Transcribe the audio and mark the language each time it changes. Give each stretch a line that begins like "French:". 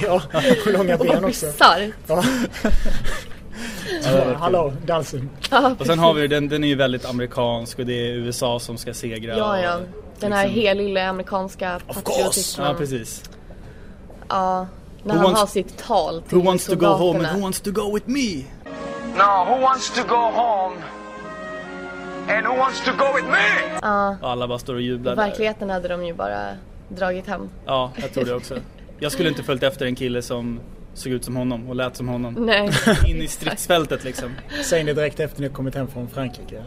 Swedish: Ja, och långa ben också. Och vad hallå, Dalsim. Och sen har vi den är ju väldigt amerikansk och det är USA som ska segra. Ja, ja. Den här liksom helylle amerikanska patriotismen. Ja, precis. Ja, när han har sitt tal till soldaterna.
English: Who wants to go home and who wants to go with me? Now, who wants to go home? And who wants to go with me?
Swedish: Ja. Och alla bara står och jublar. I verkligheten hade de ju bara dragit hem. Ja, jag tror det också. Jag skulle inte följt efter en kille som såg ut som honom och lät som honom. Nej. In i stridsfältet liksom. Säg ni direkt efter ni har kommit hem från Frankrike.